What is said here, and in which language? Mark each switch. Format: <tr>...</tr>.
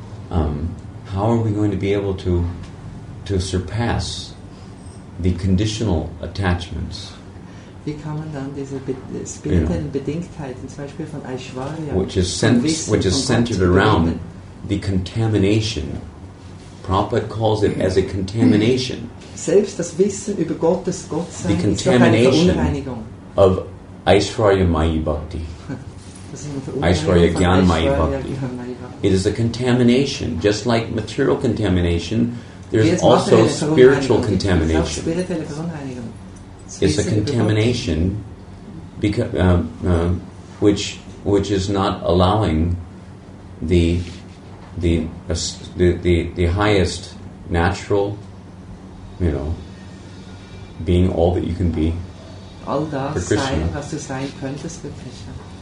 <en>How are we going to be able to surpass the conditional attachments?</en> <de>Wie kann man dann diese Bedingtheiten, zum Beispiel von Aishwarya,</de> <en>which is centered around the contamination. Prabhupada calls it as a contamination.</en> <de>Selbst das Wissen über Gottes Gottsein,</de> <en>the contamination</en> <de>ist doch eine Verunreinigung.</de> <en>Of Aishwarya Mayi Bhakti. Aishwarya Gyan Mayi Bhakti. It is a contamination. Just like material contamination, there's also spiritual contamination. It's a contamination which is not allowing the highest natural, you know, being all that you can be.</en> <de>All das for Krishna, sein, was du sein könntest für Krishna.</de>